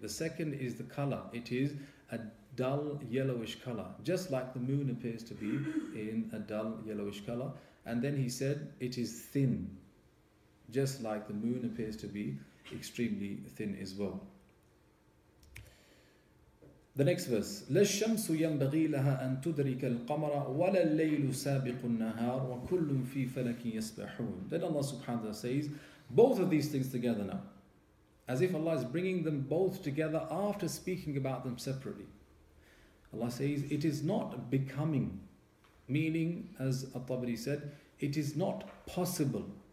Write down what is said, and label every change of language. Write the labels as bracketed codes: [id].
[en] The second is the color. It is a dull yellowish color, just like the moon appears to be in a dull yellowish color. And then he said, it is thin, just like the moon appears to be extremely thin as well. The next verse, [ar] لَالشَّمْسُ يَنْبَغِي لَهَا أَن تُدْرِكَ الْقَمَرَ وَلَا اللَّيْلُ سَابِقُ النَّهَارُ وَكُلٌّ فِي فَلَكٍ يَسْبَحُونَ. [en] Then Allah subhanahu wa ta'ala says, both of these things together now, as if Allah is bringing them both together after speaking about them separately. Allah says, it is not becoming, meaning, as At-Tabari said, it is not possible.